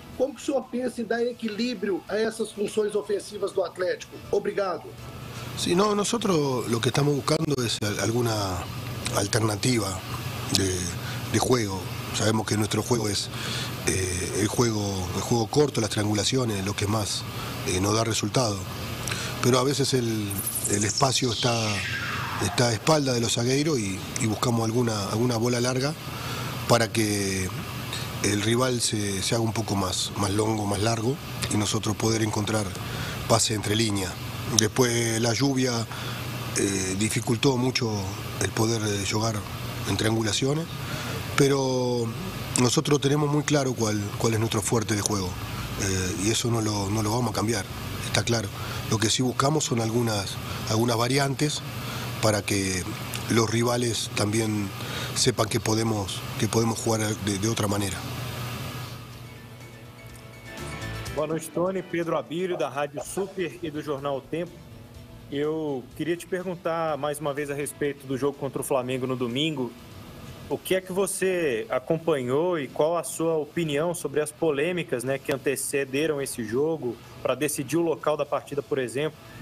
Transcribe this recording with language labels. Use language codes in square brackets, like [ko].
[pt] Como que o senhor pensa em dar equilíbrio a essas funções ofensivas do Atlético? Obrigado. Sim, não, nós o que estamos buscando é alguma alternativa de jogo. Sabemos que nosso jogo é o jogo corto, as triangulações, o que mais nos dá resultado. Mas a vezes o espaço está [es] a espalda de los zagueiros y buscamos alguna bola larga para que el rival se haga un poco más longo, más largo y nosotros poder encontrar pase entre línea. Después la lluvia dificultó mucho el poder jugar en triangulaciones, pero nosotros tenemos muy claro cuál es nuestro fuerte de juego, y eso no lo vamos a cambiar, está claro. Lo que sí buscamos son algunas variantes para que los rivales también sepan que podemos jugar de otra manera. [pt] Boa noite, Tony. Pedro Abílio, da Rádio Super e do Jornal O Tempo. Eu queria te perguntar mais uma vez a respeito do jogo contra o Flamengo no domingo. O que é que você acompanhou e qual a sua opinião sobre as polêmicas, né, que antecederam esse jogo para decidir o local da partida, por exemplo?